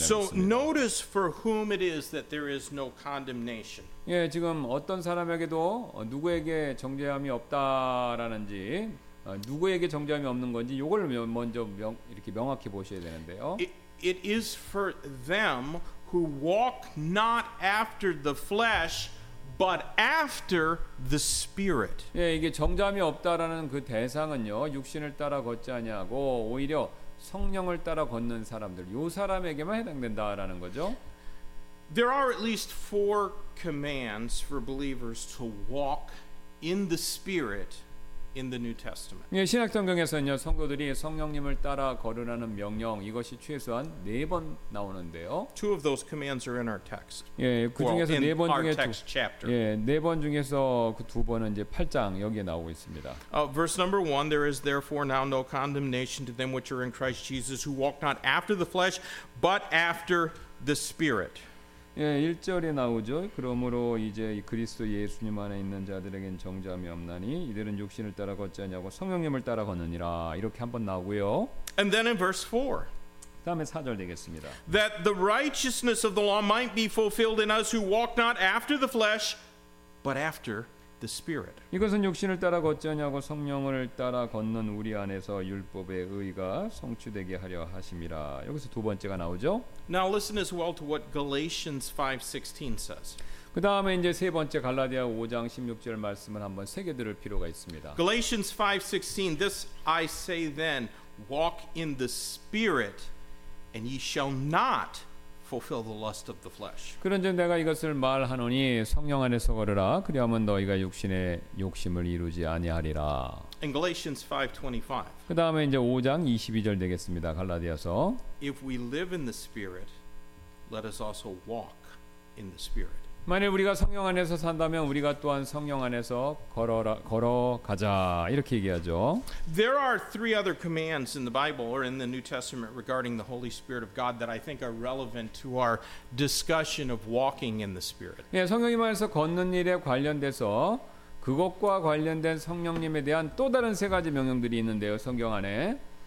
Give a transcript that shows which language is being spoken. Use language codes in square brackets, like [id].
[en] So notice for whom it is that there is no condemnation. [ko] 예, 지금 어떤 사람에게도 누구에게 정죄함이 없다라는지 누구에게 정죄함이 없는 건지 이걸 먼저 이렇게 명확히 보셔야 되는데요. [en] It is for them who walk not after the flesh but after the spirit. [ko] 예, 이게 정죄함이 없다라는 그 대상은요. 육신을 따라 걷지 아니하고 오히려 성령을 따라 걷는 사람들. 요 사람에게만 해당된다라는 거죠. [en] There are at least four commands for believers to walk in the spirit in the New Testament. [ko] 예, 신약성경에서는요. 성도들이 성령님을 따라 걸으라는 명령 이것이 최소한 네 번 나오는데요. [en] Two of those commands are in our text. [ko] 예, 그 중에서 well, 네 번 중에 [en] our text chapter. [ko] 예, 네 번 중에서 그 두 번은 이제 8장 여기에 나오고 있습니다. [en] Verse number 1 there is therefore now no condemnation to them which are in Christ Jesus who walk not after the flesh but after the spirit. [ko] 예, 1절에 나오죠. 그러므로 이제 그리스도 예수님 안에 있는 자들에겐 정죄함이 없나니 이들은 육신을 따라 걷지 아니하고 성령님을 따라 걷느니라. 이렇게 한번 나오고요. [en] And then in verse 4. [ko] 다음에 4절 되겠습니다. [en] That the righteousness of the law might be fulfilled in us who walk not after the flesh but after the spirit. [ko] 이것은 육신을 따라 걷지 아니하고 성령을 따라 걷는 우리 안에서 율법의 의가 성취되게 하려 하심이라. 여기서 두 번째가 나오죠. [en] Now listen as well to what Galatians 5:16 says. [ko] 그다음에 이제 세 번째 갈라디아 5장 16절 말씀을 한번 새겨 들을 필요가 있습니다. [en] Galatians 5:16 This I say then walk in the spirit and ye shall not fulfill the lust of the flesh. [ko] 그런즉 내가 이것을 말하노니 성령 안에서 걸으라 그리하면 너희가 육신의 욕심을 이루지 아니하리라. [en] In Galatians 5:25. [ko] 그다음에 이제 5장 22절 되겠습니다. 갈라디아서. [en] If we live in the spirit, let us also walk in the spirit. [ko] 만일 우리가 성령 안에서 산다면 우리가 또한 성령 안에서 걸어가자 이렇게 얘기하죠. [en] There are three other commands in the Bible or in the New Testament regarding the Holy Spirit of God that I think are relevant to our discussion of walking in the Spirit. [ko] 예, 성령님 안에서 걷는 일에 관련돼서 그것과 관련된 성령님에 대한 또 다른 세 가지 명령들이 있는데요, 성경 안에.